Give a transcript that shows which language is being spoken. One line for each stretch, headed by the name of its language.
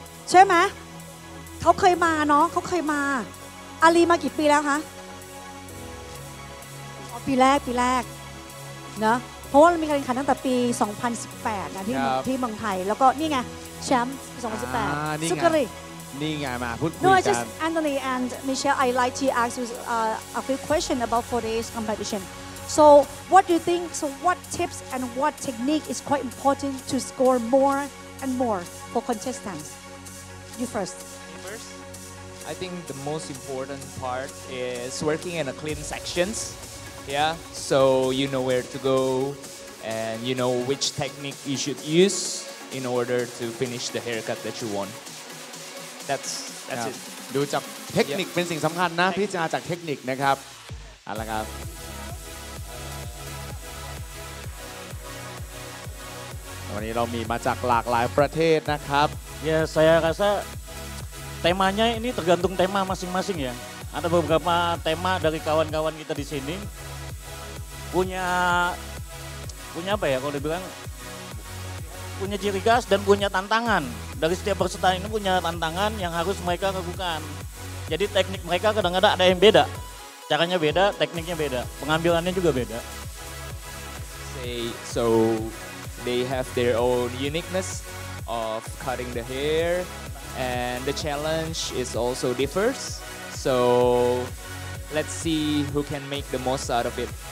Thai: ใช่ไหมเขาเคยมาเนาะเขาเคยมาอาลีมากี่ปีแล้วฮะปีแรกปีแรกเนาะเพราะว่ามีการแข่งขันตั้งแต่ปี2018นะที่ที่เมืองไทยแล้วก็นี่ไงแชมป์2018 สุ ก รีนี่ไงมาพูดคุยกัน
English: No, it's just Anthony and Michelle. I like to ask you a few questions about 4 days competition. So what do you think? So what tips and what technique is quite important to score more and more for contestants? You first. Me first. I think the most important part is working in a clean sections. Yeah. So you know where to go, and you know which technique you should use in order to finish the haircut that you want. That's
Thai: it. ดูจากเทคนิคเป็นสิ่งสำคัญนะพิจารณาจากเทคนิคนะครับเอาละครับวันนี้เรามีมาจากหลากหลายประเทศนะครับ
Indonesian: Yeah, saya rasa temanya ini tergantung tema masing-masing ya. Ada beberapa tema dari kawan-kawan kita di sini punya apa ya kalau dibilang punya ciri khas dan punya tantangan. Dari setiap peserta ini punya tantangan yang harus mereka lakukan. Jadi teknik mereka kadang-kadang ada yang beda. Caranya beda, tekniknya beda. Pengambilannya juga beda.
English: So they have their own uniqueness of cutting the hair. And the challenge is also differs. So let's see who can make the most out of it.